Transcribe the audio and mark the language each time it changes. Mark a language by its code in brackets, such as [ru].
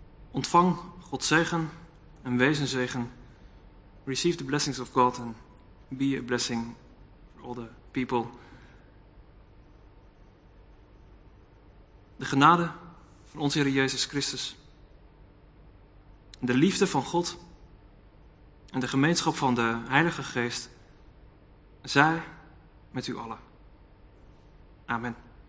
[nl] Ontvang Gods zegen en wees een zegen. [en] Receive the blessings of God and be a blessing for all the people. [nl] De genade van onze Heer Jezus Christus. De liefde van God en de gemeenschap van de Heilige Geest zij met u allen. Amen.